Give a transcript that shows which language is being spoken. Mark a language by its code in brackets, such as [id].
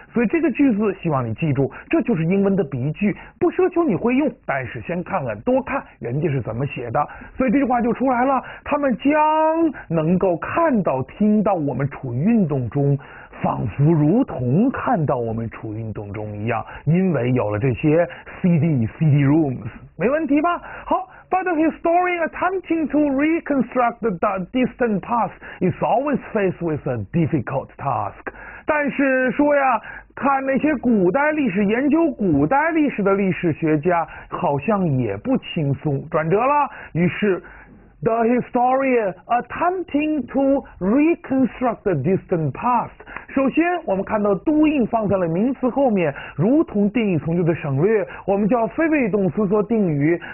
[zh] 所以这个句子，希望你记住，这就是英文的鼻句，不奢求你会用，但是先看看，多看人家是怎么写的。所以这句话就出来了，他们将能够看到、听到我们处于运动中，仿佛如同看到我们处于运动中一样，因为有了这些 CD rooms，没问题吧？好。 [en] But a historian attempting to reconstruct the distant past is always faced with a difficult task。 [zh] 但是说呀，看那些古代历史、研究古代历史的历史学家，好像也不轻松。转折了，于是， [en] the historian attempting to reconstruct the distant past。 [zh] 首先，我们看到 doing 放在了名词后面，如同定语从句的省略，我们叫非谓语动词做定语。